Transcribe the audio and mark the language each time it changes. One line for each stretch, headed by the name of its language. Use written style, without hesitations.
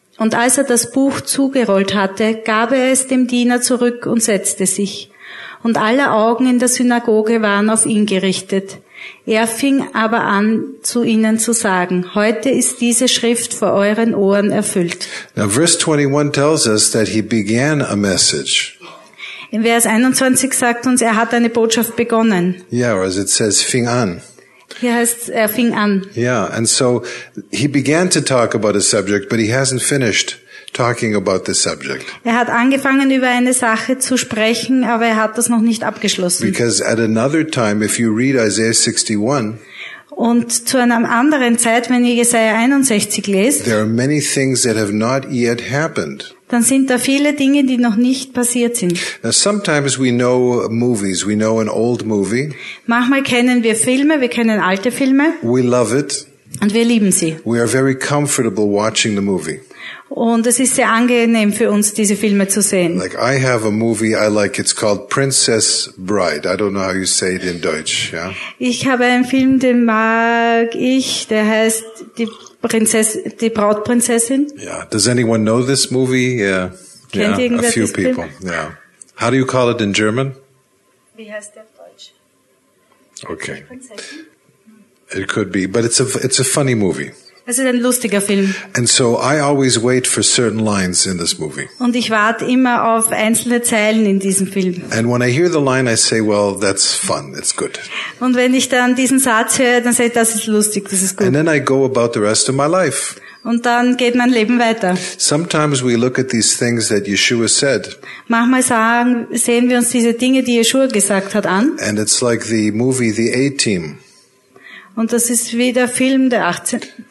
German: Und als er das Buch zugerollt hatte, gab er es dem Diener zurück und setzte sich. Und alle Augen in der Synagoge waren auf ihn gerichtet. Er fing aber an, zu ihnen zu sagen: Heute ist diese Schrift vor euren Ohren erfüllt.
English: Now verse 21 tells us that he began a message.
German: In Vers 21 sagt uns, er hat eine Botschaft begonnen.
English: Yeah, or as it says,
German: fing an. Hier heißt, er fing an.
English: Yeah, and so he began to talk about a subject, but he hasn't finished talking about the subject.
German: Er hat angefangen, über eine Sache zu sprechen, aber er hat das noch nicht abgeschlossen.
English: Because at another time, if you read Isaiah 61,
German: und zu einer anderen Zeit, wenn ihr Jesaja 61 lest,
English: there are many things that have not yet happened.
German: Dann sind da viele Dinge, die noch nicht passiert sind.
English: Now sometimes we know movies, we know an old movie.
German: Manchmal kennen wir Filme, wir kennen alte Filme.
English: We love it.
German: Und wir lieben sie.
English: We are very comfortable watching the movie.
German: Und es ist sehr angenehm für uns, diese Filme zu sehen.
English: Like I have a movie I like, it's called Princess Bride. I don't know how you say it in Deutsch. Yeah?
German: Ich habe einen Film, den mag ich, der heißt die die Brautprinzessin? Yeah.
English: Does anyone know this movie? Yeah.
German: Kennt
English: yeah, a few people.
German: Film? Yeah.
English: How do you call it in German?
German: Wie heißt der auf Deutsch? Okay.
English: It could be, but it's a funny movie.
German: Es ist ein lustiger Film.
English: And so I always wait for certain lines in this movie.
German: Und ich warte immer auf einzelne Zeilen in diesem Film.
English: And when I hear the line, I say, well, that's fun, it's good.
German: Und wenn ich dann diesen Satz höre, dann sage ich, das ist lustig, das ist gut.
English: And then I go about the rest of my life.
German: Und dann geht mein Leben weiter.
English: Sometimes we look at these things that Yeshua said.
German: Manchmal sehen wir uns diese Dinge, die Yeshua gesagt hat, an.
English: And it's like the movie The A-Team.
German: Und das ist wie der Film, der 18.